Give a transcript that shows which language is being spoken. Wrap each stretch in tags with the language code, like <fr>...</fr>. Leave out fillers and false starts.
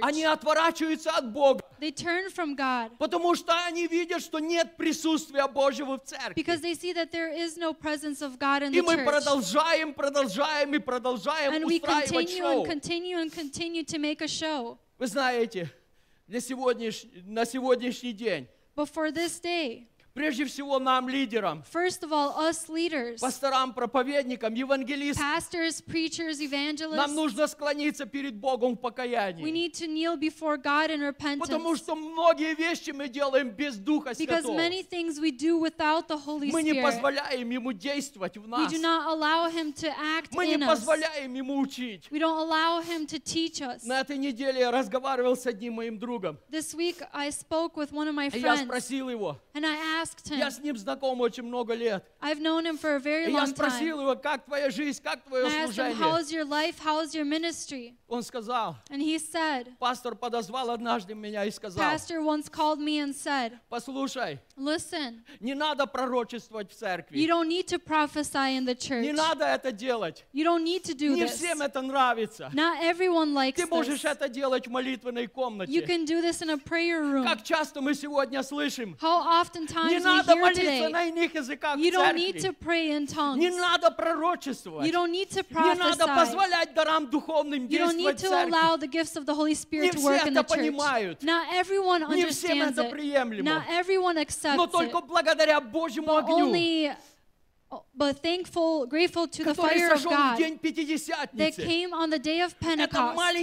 <ru>Они отворачиваются от Бога.</ru> <en>They turn from God.</en> <ru>Потому что они видят, что нет присутствия Божьего в церкви.</ru> <en>Because they see that there is no presence of God in</en> <ru>и</ru> <en>the church.</en> <ru>И мы продолжаем и продолжаем</ru> <en>and</en> <ru>устраивать шоу.</ru> <en>And we continue</en> <ru>шоу.</ru> <en>And continue and continue to make a show.</en> <ru>Вы знаете, на сегодняшний день,</ru> <en>but for this day,</en> <ru>прежде всего нам, лидерам,</ru> <en>first of all, us leaders,</en> <ru>пасторам, проповедникам, евангелистам,</ru> <en>pastors, preachers, evangelists,</en> <ru>нам нужно склониться перед Богом в покаянии.</ru> <en>We need to kneel before God in repentance.</en> <ru>Потому что многие вещи мы делаем без Духа Святого.</ru> <en>Because many things we do without the Holy Spirit.</en> <ru>Мы не позволяем Ему действовать в нас.</ru> <en>We do not allow Him to act in us.</en> <ru>Мы не позволяем Ему учить.</ru> <en>We don't allow Him to teach us.</en> <ru>На этой неделе я разговаривал с одним моим другом.</ru> <en>This week I spoke with one of my friends.</en> <ru>Я спросил его.</ru> <en>And I asked</en> <ru>я с ним знаком очень много лет.</ru> <en>I've known him for a very long time.</en> <ru>Я спросил его, как твоя жизнь, как твое служение.</ru> <en>I asked him, how is your life, how is your ministry?</en> <ru>Он сказал.</ru> <en>And he said.</en> <ru>Пастор подозвал однажды меня и сказал.</ru> <en>Pastor once called me and said.</en> <ru>Послушай.</ru> <en>Listen.</en> <ru>Не надо пророчествовать в церкви.</ru> <en>You don't need to prophesy in the church.</en> <ru>Не надо это делать.</ru> <en>You don't need to do this.</en> <ru>Не всем это нравится.</ru> <en>Not everyone likes this.</en> <ru>Ты можешь это делать в молитвенной комнате.</ru> <en>You can do this in a prayer room.</en> <ru>Как часто мы сегодня слышим.</ru> <en>How often times</en> <ru>не надо молиться на иных языках.</ru> <en>You don't need to pray in tongues.</en> <ru>Не надо пророчествовать.</ru> <en>You don't need to prophesy.</en> <ru>Не надо позволять дарам духовным действовать.</ru> <en>You don't need to allow the gifts of the Holy Spirit to work in the church.</en> <ru>Не все это понимают.</ru> <en>Not everyone understands it. Not everyone accepts it.</en> <ru>Но только благодаря Божьему огню.</ru> <en>But thankful, grateful to the fire of God that came on the day of Pentecost.</en>